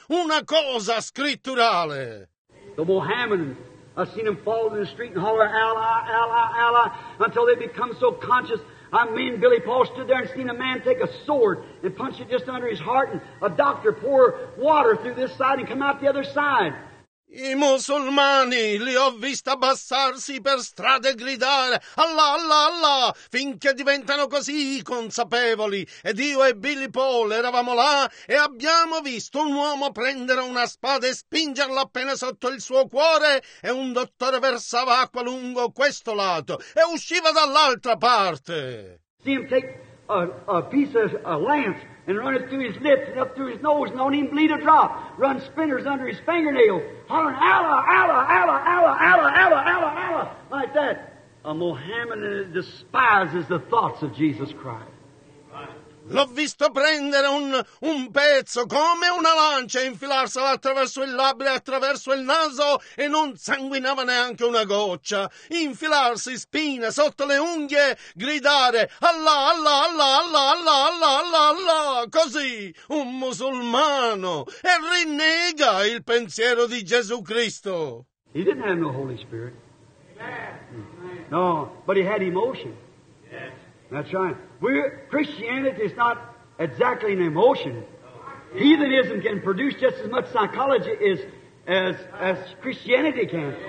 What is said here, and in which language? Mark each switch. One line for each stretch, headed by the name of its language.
Italian: Una cosa scritturale.
English: The Mohammedan. I've seen them fall in the street and holler, Allah, Allah, Allah, until they become so conscious. I mean, Billy Paul stood there and seen a man take a sword and punch it just under his heart, and a doctor pour water through this side and come out the other side.
Italian: I musulmani li ho visti abbassarsi per strade e gridare Allah, Allah, Allah, finché diventano così consapevoli. Ed io e Billy Paul eravamo là e abbiamo visto un uomo prendere una spada e spingerla appena sotto il suo cuore e un dottore versava acqua lungo questo lato e usciva dall'altra parte.
English: See him take a piece of a lance and run it through his lips and up through his nose and don't even bleed a drop. Run spinners under his fingernails. Hollering, Allah, Allah, Allah, Allah, Allah, Allah, Allah, Allah, like that. A Mohammedan despises the thoughts of Jesus Christ.
Italian: L'ho visto prendere un pezzo come una lancia e infilarsela attraverso il labbro e attraverso il naso e non sanguinava neanche una goccia. Infilarsi spine sotto le unghie, gridare Allah, Allah, Allah, Allah, Allah, Allah, Allah, Allah, così un musulmano e rinnega il pensiero di Gesù Cristo.
English: He didn't have no Holy Spirit. Amen. No, but he had emotion. That's right. Christianity is not exactly an emotion. Heathenism can produce just as much psychology as Christianity can.